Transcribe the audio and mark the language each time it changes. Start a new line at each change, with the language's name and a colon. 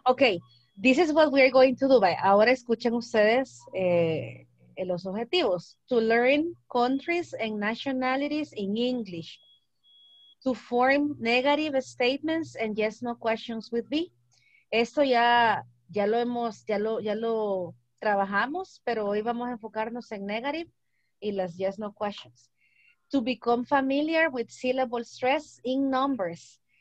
English: Ok, this is what we are going to do, by. Ahora escuchen ustedes los objetivos. To learn countries and nationalities in English. To form negative statements and yes, no questions with me.
Spanish: Esto ya lo trabajamos, pero hoy vamos a enfocarnos en negative y las yes, no questions.
English: To become familiar with syllable stress in numbers.